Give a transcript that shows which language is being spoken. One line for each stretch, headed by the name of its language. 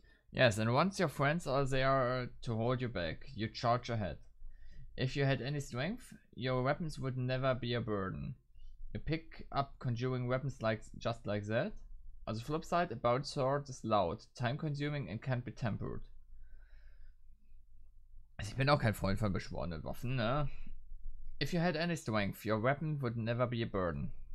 English: Yes, and once your friends are there to hold you back, you charge ahead. If you had any strength, your weapons would never be a burden. You pick up conjuring weapons just like that. On the flip side, a bone sword is loud, time-consuming and can't be tempered.
German: Also ich bin auch kein Freund von beschworenen Waffen, ne?
English: If you had any strength, your weapon would never be a burden.